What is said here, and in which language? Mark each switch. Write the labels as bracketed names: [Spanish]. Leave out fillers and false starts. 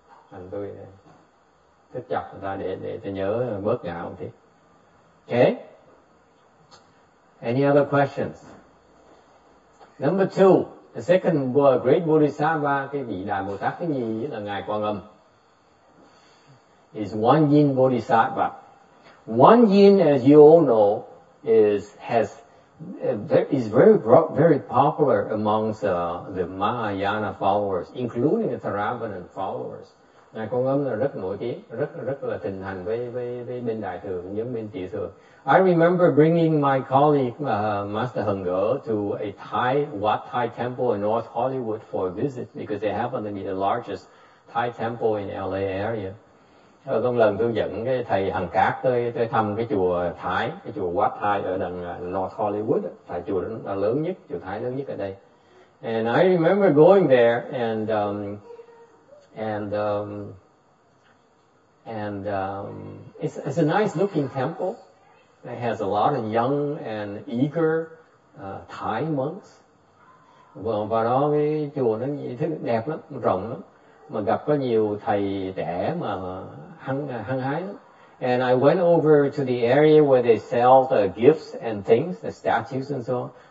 [Vietnamese] Thành tôi thích chọc người ta để tôi nhớ bớt ngạo một tí. Okay. [English] Any other questions? Number two, the second great Bodhisattva, [Vietnamese] cái vị đại Bồ Tát thứ nhì là Ngài Quan Âm, [English] is One Yin Bodhisattva. One Yin, as you all know, is very popular amongst the Mahayana followers, including the Theravada followers. [Vietnamese] Ngài Quan Âm là rất nổi tiếng, rất rất là thịnh hành với bên đại thừa, giống bên tiểu thừa. [English] I remember bringing my colleague Master Heng Ge to a Wat Thai temple in North Hollywood for a visit because they happen to be the largest Thai temple in LA area. [Vietnamese] Trong lần tôi dẫn cái thầy Hằng Cát tới thăm cái chùa Thái, cái chùa Wat Thai ở đằng North Hollywood, tại chùa đó lớn nhất, chùa Thái lớn nhất ở đây. [English] And I remember going there it's a nice looking temple. It has a lot of young and eager Thai monks. [Vietnamese] Vào đó cái chùa nó như thế đẹp lắm, rộng lắm. Mà gặp có nhiều thầy trẻ mà hăng hái lắm. [English] And I went over to the area where they sell the gifts and things, the statues and so on.